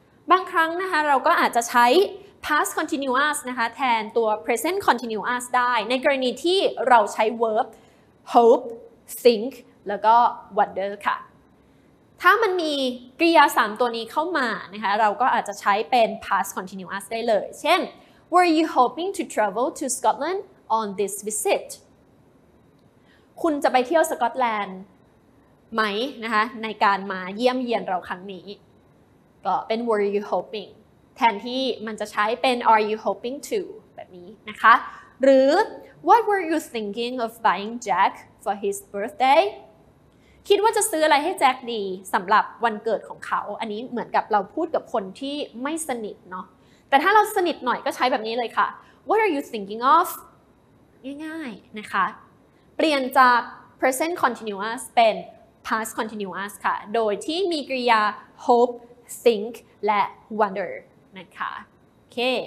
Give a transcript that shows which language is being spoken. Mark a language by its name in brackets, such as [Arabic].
[Thai] บางครั้งนะคะเราก็อาจจะใช้ past continuous นะคะแทนตัว present continuous ได้ในกรณีที่เราใช้ verb hope think แล้วก็ wonder ค่ะถ้ามันมีกริยาสามตัวนี้เข้ามานะคะเราก็อาจจะใช้เป็น past continuous ได้เลยเช่น [English] Were you hoping to travel to Scotland on this visit? [Thai] คุณจะไปเที่ยวสกอตแลนด์ไหมนะคะในการมาเยี่ยมเยียนเราครั้งนี้ก็เป็น [English] were you hoping [Thai] แทนที่มันจะใช้เป็น [English] are you hoping to [Thai] บบนี้นะคะหรือ [English] What were you thinking of buying Jack for his birthday? [Thai] คิดว่าจะซื้ออะไรให้แจ็คดีสำหรับวันเกิดของเขาอันนี้เหมือนกับเราพูดกับคนที่ไม่สนิทเนาะแต่ถ้าเราสนิทหน่อยก็ใช้แบบนี้เลยค่ะ [English] What are you thinking of? [Thai] ง่ายๆนะคะเปลี่ยนจาก present continuous เป็นpast continuous ค่ะโดยที่มีกริยา hope think และ wonder นะคะโอเค